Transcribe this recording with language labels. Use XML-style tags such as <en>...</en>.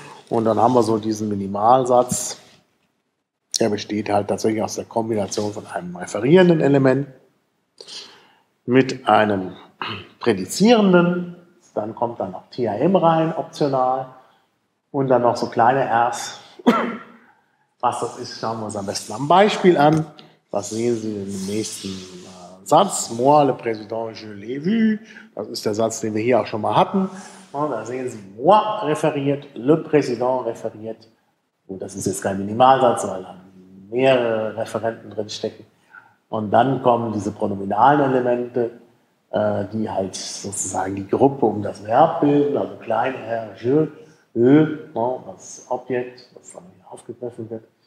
<de>Und dann haben wir so diesen Minimalsatz. Der besteht halt tatsächlich aus der Kombination von einem referierenden Element mit einem prädizierenden, dann kommt dann noch TAM rein, optional, und dann noch so kleine R's. Was das ist, schauen wir uns am besten am Beispiel an. Was sehen Sie im nächsten Satz?</de> <fr>Moi, le président, je l'ai vu.</fr> <de>Das ist der Satz, den wir hier auch schon mal hatten. Und da sehen Sie moi referiert, le président referiert. Und das ist jetzt kein Minimalsatz, weil da mehrere Referenten drinstecken. Und dann kommen diese pronominalen Elemente, die halt sozusagen die Gruppe um das Verb bilden, also klein r, je, ö, das Objekt, was dann hier aufgegriffen wird.</de>